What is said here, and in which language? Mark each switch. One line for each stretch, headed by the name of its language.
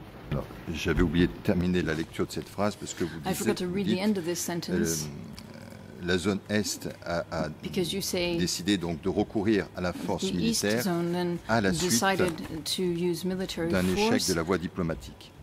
French: Non, j'avais oublié de terminer la lecture de cette phrase parce que vous dites.
English: I forgot to read the end of this sentence.
French: La zone est a décidé donc de recourir à la force militaire à la suite d'un échec de la voie diplomatique.